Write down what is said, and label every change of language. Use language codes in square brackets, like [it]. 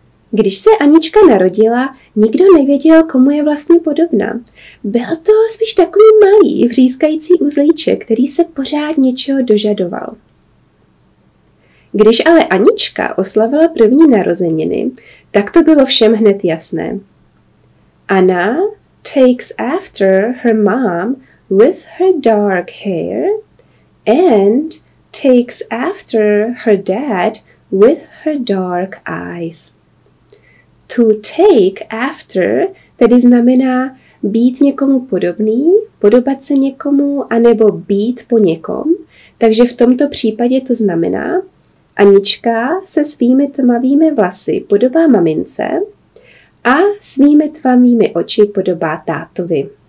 [cs] Když se Anička narodila, nikdo nevěděl, komu je vlastně podobná. Byl to spíš takový malý, vřískající uzlíček, který se pořád něčeho dožadoval. Když ale Anička oslavila první narozeniny, tak to bylo všem hned jasné. [en] Anna takes after her mom with her dark hair and takes after her dad with her dark eyes. [cs] To take after tedy znamená být někomu podobný, podobat se někomu anebo být po někom. Takže v tomto případě to znamená: Anička se svými tmavými vlasy podobá mamince a svými tmavými oči podobá tátovi.